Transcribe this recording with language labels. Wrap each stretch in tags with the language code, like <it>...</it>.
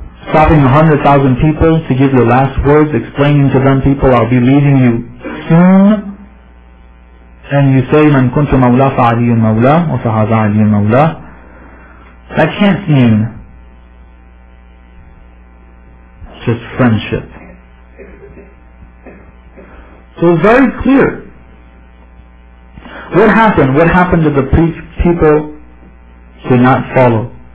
<en>Stopping 100,000 people to give your last words, explaining to them, people, I'll be leaving you soon. And you say,</en> <ar>مَنْ كُنْتُ مَوْلَى فَعَلِيُّ الْمَوْلَى وَفَهَذَا عَلِيُّ الْمَوْلَى.</ar> <en>That can't mean just friendship. So it's very clear. What happened? What happened to the people who did not follow?</en>